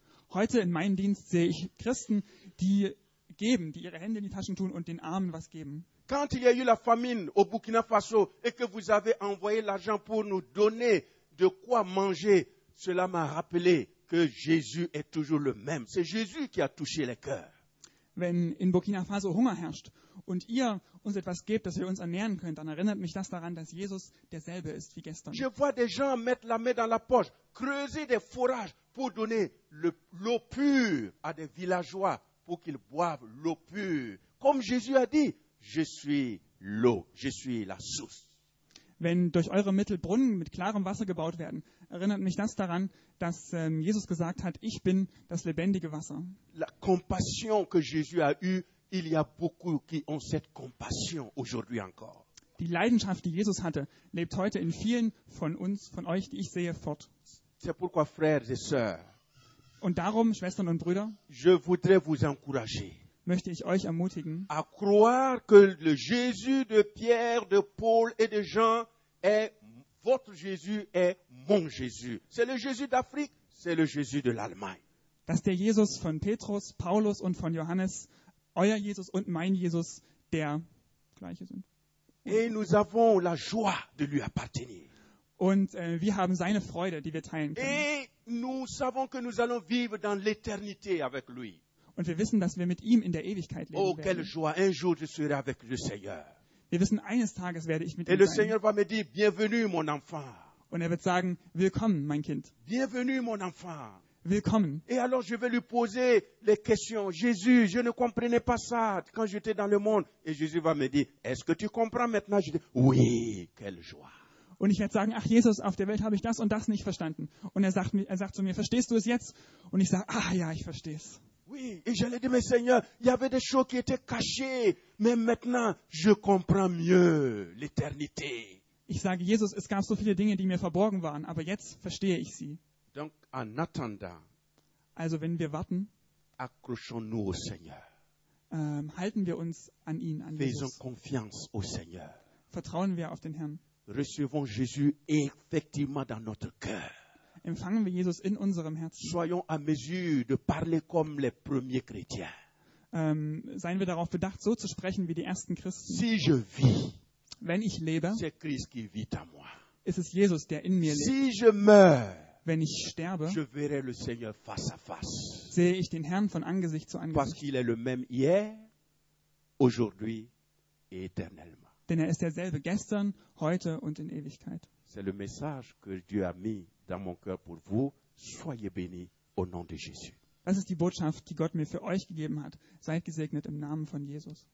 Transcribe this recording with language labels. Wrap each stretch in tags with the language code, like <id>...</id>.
<de>Heute in meinem Dienst sehe ich Christen, die geben, die ihre Hände in die Taschen tun und den Armen was geben.</de> <fr>Quand il y a eu la famine au Burkina Faso et que vous avez envoyé l'argent pour nous donner de quoi manger, cela m'a rappelé que Jésus est toujours le même. C'est Jésus qui a touché les cœurs.</fr> <de>Wenn in Burkina Faso Hunger herrscht und ihr uns etwas gebt, dass wir uns ernähren können, dann erinnert mich das daran, dass Jesus derselbe ist wie gestern.</de> <fr>Je vois des gens mettre la main dans la poche, creuser des forages pour donner l'eau pure à des villageois pour qu'ils boivent l'eau pure. Comme Jésus a dit, je suis l'eau, je suis la source.</fr> <de>Wenn durch eure Mittel Brunnen mit klarem Wasser gebaut werden, erinnert mich das daran, dass Jesus gesagt hat, ich bin das lebendige Wasser.</de> <fr>La compassion que Jésus a eue, il y a beaucoup qui ont cette compassion aujourd'hui encore.</fr> <de>Die Leidenschaft, die Jesus hatte, lebt heute in vielen von uns, von euch, die ich sehe, fort.</de> <fr>C'est pourquoi, frères et sœurs,</fr> <de>und darum, Schwestern und Brüder,</de> <fr>je voudrais vous encourager,</fr> <de>möchte ich euch ermutigen,</de> <fr>à croire que le Jésus de Pierre, de Paul et de Jean est votre Jésus, est mon Jésus. C'est le Jésus d'Afrique, c'est le Jésus de l'Allemagne.</fr> <de>Dass der Jesus von Petrus, Paulus und von Johannes euer Jesus und mein Jesus der gleiche sind.</de> <fr>Et nous avons la joie de lui appartenir.</fr> <de>Und wir haben seine Freude, die wir teilen können.</de> <fr>Et nous savons que nous allons vivre dans l'éternité avec lui.</fr> <de>Und wir wissen, dass wir mit ihm in der Ewigkeit leben werden.</de> <fr>Oh, quelle joie, un jour je serai avec le Seigneur.</fr> <de>Wir wissen, eines Tages werde ich mit</de> <fr>Et</fr> <de>ihm</de> <fr>le</fr> <de>sein.</de> <fr>Seigneur va me dire, bienvenue, mon enfant.</fr> <de>Und er wird sagen, willkommen, mein Kind.</de> <fr>Bienvenue, mon enfant.</fr> <de>Willkommen.</de> <fr>Et alors je vais lui poser les questions. Jésus, je ne comprenais pas ça quand j'étais dans le monde. Et Jésus va me dire, est-ce que tu comprends maintenant? Je dis, oui, quelle joie.</fr> <de>Und ich werde sagen, ach Jesus, auf der Welt habe ich das und das nicht verstanden. Und er sagt zu mir, verstehst du es jetzt? Und ich sage, ah ja, ich verstehe es.</de> <fr>Oui, et je lui dis, mais Seigneur, il y avait des choses qui étaient cachées, mais maintenant, je comprends mieux l'éternité.</fr> <de>Ich sage, Jesus, es gab so viele Dinge, die mir verborgen waren, aber jetzt verstehe ich sie.</de> <fr>Donc, en attendant,</fr> <de>also wenn wir warten,</de> <fr>accrochons-nous au Seigneur.</fr> <de>Halten wir uns an ihn, an</de> <fr>Faisons</fr> <de>Jesus.</de> <fr>Confiance au Seigneur.</fr> <de>Vertrauen wir auf den Herrn.</de> <fr>Recevons Jésus effectivement dans notre cœur.</fr> <de>Empfangen wir Jesus in unserem Herzen.</de> <fr>Soyons à mesure de parler comme les premiers chrétiens.</fr> <de>Seien wir darauf bedacht, so zu sprechen wie die ersten Christen.</de> <fr>Si je vis,</fr> <de>wenn ich lebe,</de> <fr>c'est Christ qui vit en moi.</fr> <de>Ist es Jesus, der in mir lebt.</de> <fr>Si je meurs,</fr> <de>wenn ich sterbe,</de> <fr>je verrai le Seigneur face à face.</fr> <de>Sehe ich den Herrn von Angesicht zu Angesicht.</de> <fr>Parce qu'il est le même hier, aujourd'hui et éternellement.</fr> <de>Denn er ist derselbe gestern, heute und in Ewigkeit.</de> <fr>C'est le message que Dieu a mis dans mon cœur pour vous. Soyez bénis au nom de Jésus.</fr> <de>Das ist die Botschaft, die Gott mir für euch gegeben hat. Seid gesegnet im Namen von Jesus.</de>